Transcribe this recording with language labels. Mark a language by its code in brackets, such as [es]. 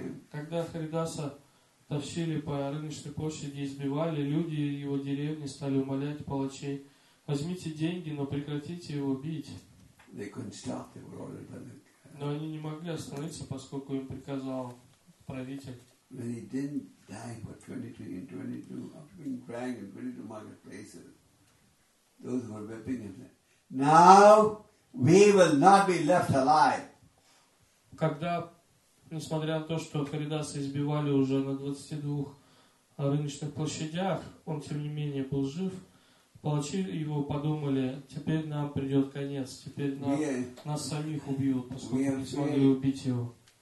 [ru] Когда Харидаса тащили по рыночной площади и избивали, люди его деревни стали умолять палачей: возьмите деньги, но прекратите его бить. [en] They couldn't stop. They were ordered by the. [ru] Но они не могли остановиться, поскольку им приказал правитель. [en] When he didn't die for 23 and 22, after being dragged and put into marketplaces, those who were whipping him said, "Now we will not be left alive." [ru] Когда, несмотря на то, что Харидаса избивали уже на 22 рыночных площадях, он тем не менее был жив. Палачи его подумали: теперь нам придет конец, теперь нам, нас самих убьют, поскольку не смогли убить его.